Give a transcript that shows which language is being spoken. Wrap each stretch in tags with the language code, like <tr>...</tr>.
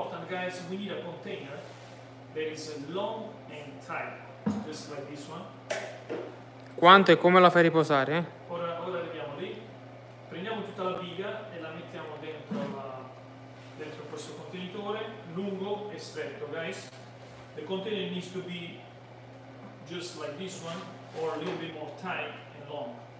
<en>Guys, we need a container that is long and tight, just like this one.</en> <it>Quanto e come la fai riposare? Ora arriviamo lì. Prendiamo tutta la biga e la mettiamo dentro questo contenitore, lungo e stretto, guys.</it> <en>The container needs to be just like this one, or a little bit more tight and long.</en>